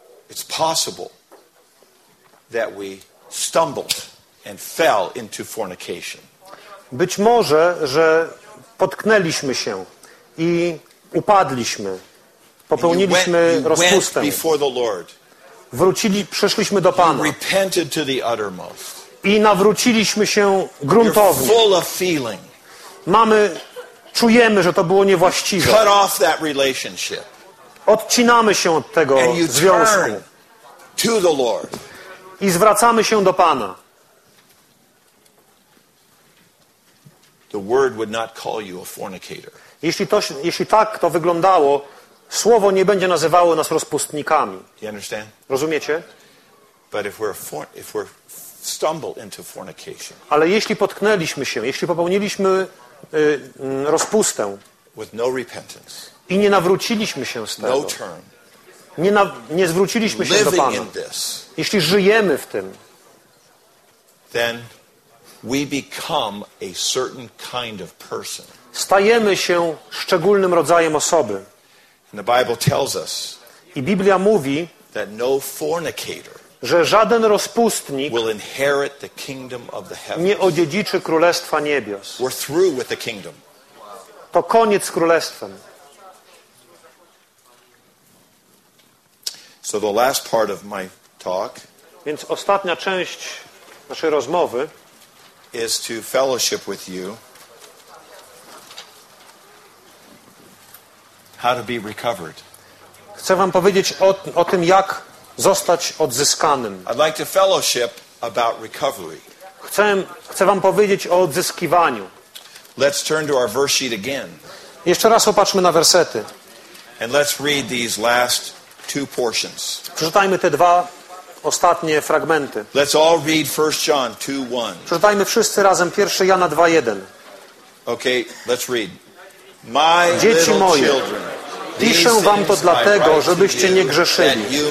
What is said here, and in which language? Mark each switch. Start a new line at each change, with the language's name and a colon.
English: It's possible that we stumbled and fell into fornication.
Polish: Być może, że potknęliśmy się i upadliśmy, popełniliśmy rozpustę.
English: Before the Lord.
Polish: Wrócili, przeszliśmy do Pana.
English: You repented to the uttermost.
Polish: I nawróciliśmy się gruntownie.
English: You're full of feeling.
Polish: Mamy, czujemy, że to było niewłaściwe.
English: You cut off that relationship.
Polish: Odcinamy się od tego
English: and you
Polish: związku.
English: Turn to the Lord.
Polish: I zwracamy się do Pana.
English: The word would not call you a fornicator.
Polish: Jeśli tak to wyglądało, słowo nie będzie nazywało nas rozpustnikami.
English: You understand?
Polish: Rozumiecie?
English: But if we're stumble into fornication.
Polish: Ale jeśli potknęliśmy się, jeśli popełniliśmy rozpustę.
English: With no repentance.
Polish: I nie nawróciliśmy się z tego.
English: No turn.
Polish: Nie zwróciliśmy się do Pana.
English: This,
Polish: jeśli żyjemy w tym,
English: then we become a certain kind of person.
Polish: Stajemy się szczególnym rodzajem osoby.
English: And the Bible tells us,
Polish: i Biblia mówi,
English: that no fornicator,
Polish: że żaden rozpustnik
English: will inherit the kingdom of the heavens.
Polish: Nie odziedziczy Królestwa Niebios.
English: We're through with the kingdom.
Polish: To koniec z Królestwem.
English: So the last part of my talk,
Polish: więc ostatnia część naszej rozmowy
English: is to fellowship with you How to be recovered.
Polish: Chcę wam powiedzieć o tym, jak zostać odzyskanym.
English: I'd like to fellowship about recovery.
Polish: Chcę wam powiedzieć o odzyskiwaniu.
English: Let's turn to our verse sheet again.
Polish: Jeszcze raz popatrzmy na wersety.
English: And let's read these last two portions.
Polish: Przeczytajmy te dwa ostatnie fragmenty.
English: Let's all read 1 John 2:1.
Polish: Przeczytajmy wszyscy razem 1 Jana 2:1.
English: Okay, let's read. My
Polish: dzieci moje,
English: children,
Polish: piszę wam to dlatego, żebyście nie grzeszyli.